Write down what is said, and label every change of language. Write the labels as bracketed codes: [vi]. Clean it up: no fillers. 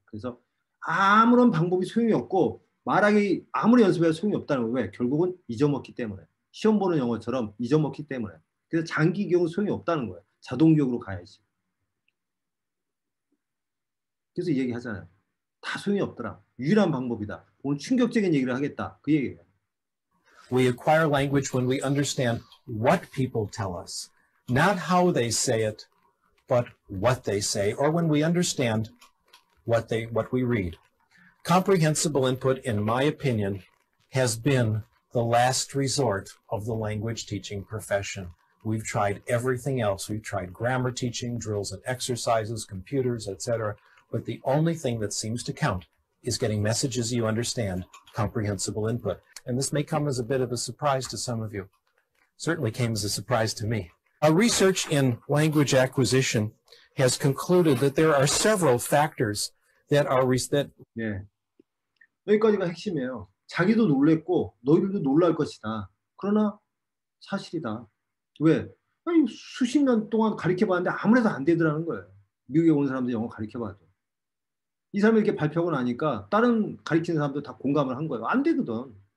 [ko] 그래서 아무런 방법이 소용이 없고 말하기 아무리 연습해도 소용이 없다는 거예요. 왜? 결국은 잊어먹기 때문에. 시험 보는 영어처럼 잊어먹기 때문에. 그래서 장기 기억은 소용이 없다는 거예요. 자동 기억으로 가야지. 그래서 이 얘기 하잖아요. 다 소용이 없더라. 유일한 방법이다. 오늘 충격적인 얘기를 하겠다. 그 얘기예요. [en] We acquire language when we understand what people tell us. Not how they say it, but what they say. Or when we understand what we read. Comprehensible input, in my opinion, has been the last resort of the language teaching profession. We've tried everything else. We've tried grammar teaching, drills and exercises, computers, etc. But the only thing that seems to count is getting messages you understand, comprehensible input. And this may come as a bit of a surprise to some of you. Certainly came as a surprise to me. Our research in language acquisition has concluded that there are several factors that are that [ko] 네. 여기까지가 핵심이에요. 자기도 놀랬고 너희들도 놀랄 것이다. 그러나 사실이다. 왜? 아니, 수십 년 동안 가르쳐 봤는데 아무래도 안 되더라는 거예요. 미국에 온 사람들 영어 가르쳐 봐도. 이 사람이 이렇게 발표하고 나니까 다른 가르치는 사람도 다 공감을 한 거예요. 안 되거든.